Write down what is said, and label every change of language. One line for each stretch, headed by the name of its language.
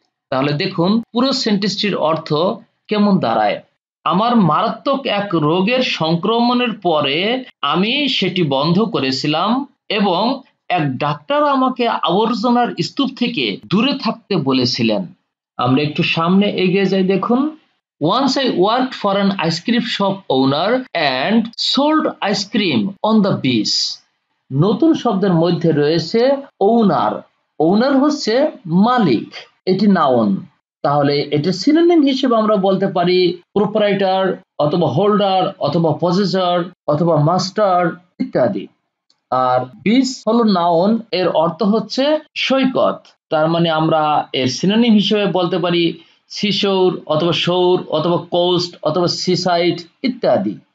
Bangla: তাহলে দেখুন পুরো সেন্টেন্সটির অর্থ কেমন দাঁড়ায়, আমার মারাত্মক এক রোগের সংক্রমণের পরে আমি সেটি বন্ধ করেছিলাম এবং এক ডাক্তার আমাকে আবর্জনার স্তূপ থেকে দূরে থাকতে বলেছিলেন। আমরা একটু সামনে এগিয়ে যাই, দেখুন
English: once I worked for an ice cream shop owner and sold ice cream on the beach.
Bangla: নতুন শব্দের মধ্যে রয়েছে owner, owner হচ্ছে মালিক, এটি নাউন, তাহলে এটা সিনোনিম হিসেবে আমরা বলতে পারি প্রোপ্রাইটার অথবা হোল্ডার অথবা পজেসার অথবা মাস্টার ইত্যাদি। আর বিচ হলো নাউন, এর অর্থ হচ্ছে সৈকত, তার মানে আমরা এর সিনোনিম হিসেবে বলতে পারি সিশোর অথবা শোর অথবা কোস্ট অথবা সিসাইড ইত্যাদি।